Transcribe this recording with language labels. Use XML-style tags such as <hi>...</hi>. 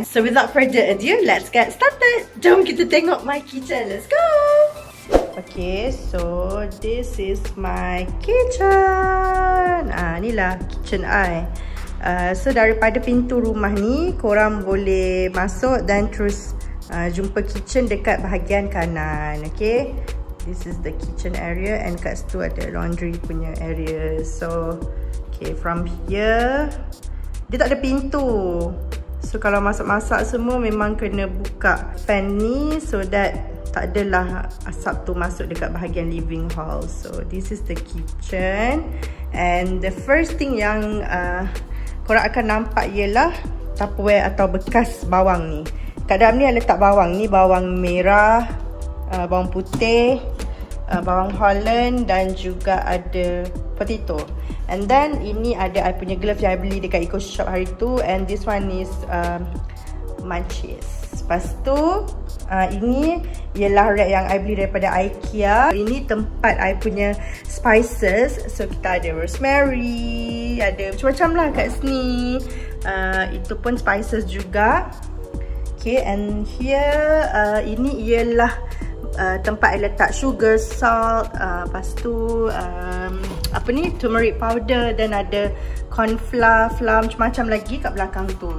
<en>So without further ado, let's get started.</en> <ms>Jom kita tengok</ms> <en>my kitchen. Let's go. Okay, so this is my kitchen.</en> <ms>Ah, inilah kitchen I. So daripada pintu rumah ni, korang boleh masuk dan terus jumpa kitchen dekat bahagian kanan.</ms> <en>Okay, this is the kitchen area and</en> <ms>kat situ ada</ms> <en>laundry punya area. So, okay, from here,</en> <ms>dia tak ada pintu. So, kalau masak-masak semua memang kena buka fan ni</ms> <en>so that</en> <ms>tak adalah asap tu masuk dekat bahagian living hall.</ms> <en>So, this is the kitchen. And the first thing</en> <ms>yang korang akan nampak ialah tupperware atau bekas bawang ni. Kat dalam ni I letak bawang. Ni bawang merah, bawang putih, bawang Holland dan juga ada potato.</ms> <en>And then</en> <ms>ini ada I punya glove yang I beli dekat eco shop hari tu.</ms> <en>And this one is munchies.</en> <ms>Lepas tu ini ialah rack yang I beli daripada IKEA. Ini tempat I punya spices. So kita ada rosemary, ada macam-macam lah kat sini. Itu pun spices juga.</ms> <en>Okay, and here</en> <ms>ini ialah tempat I letak sugar, salt, lepas tu apa ni, turmeric powder dan ada corn flour, flour macam-macam lagi kat belakang tu.</ms>